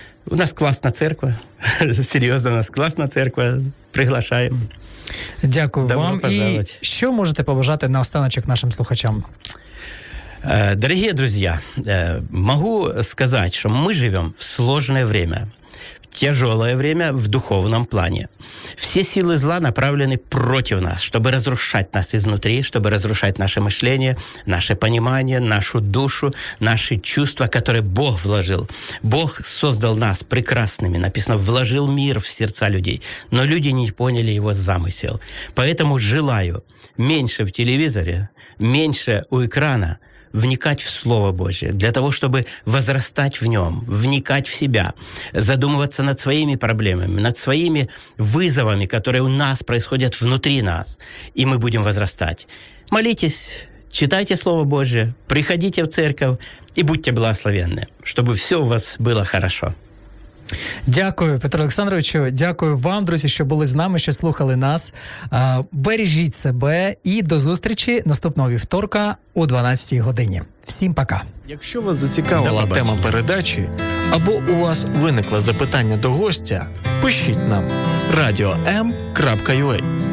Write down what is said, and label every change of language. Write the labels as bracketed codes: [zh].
[uk] У нас класна церква. Серйозно, у нас класна церква. Приглашаємо. Дякую добро вам. Пожалувати. І що можете побажати на останочок нашим слухачам? Дорогі друзі, можу сказати, що ми живемо в складне время. [ru] Тяжелое время в духовном плане. Все силы зла направлены против нас, чтобы разрушать нас изнутри, чтобы разрушать наше мышление, наше понимание, нашу душу, наши чувства, которые Бог вложил. Бог создал нас прекрасными, написано, вложил мир в сердца людей. Но люди не поняли его замысел. Поэтому желаю меньше в телевизоре, меньше у экрана, вникать в Слово Божие, для того, чтобы возрастать в нем, вникать в себя, задумываться над своими проблемами, над своими вызовами, которые у нас происходят внутри нас, и мы будем возрастать. Молитесь, читайте Слово Божие, приходите в церковь и будьте благословенны, чтобы все у вас было хорошо. [uk] Дякую, Петро Олександровичу. Дякую вам, друзі, що були з нами, що слухали нас. Бережіть себе і до зустрічі наступного вівторка о 12-й годині. Всім пока. Якщо вас зацікавила тема передачі або у вас виникло запитання до гостя, пишіть нам radio.m.ua.